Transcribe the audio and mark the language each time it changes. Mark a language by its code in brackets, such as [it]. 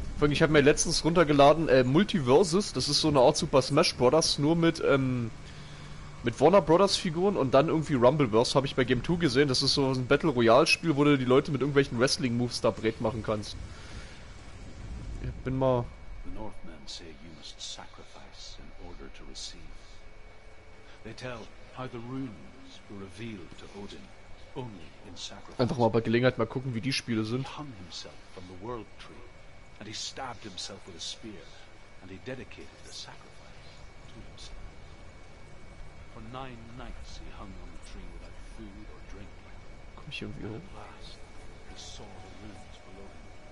[de] Ich habe mir letztens runtergeladen, Multiversus, das ist so eine Art Super Smash Bros., nur mit Warner Brothers Figuren und dann irgendwie Rumbleverse, habe ich bei Game 2 gesehen. Das ist so ein Battle Royale Spiel, wo du die Leute mit irgendwelchen Wrestling Moves da breit machen kannst. Ich bin mal. [en] The Northmen say you must sacrifice in order to receive. They tell how the runes were revealed to Odin. Only in sacrifice. [de] Einfach mal bei Gelegenheit mal gucken, wie die Spiele sind. [en] And he stabbed himself with a spear, and he dedicated the sacrifice to himself. For 9 nights he hung on the tree without food or drink. [de] Komm ich irgendwie hoch? [en] Last, he saw the runes below him.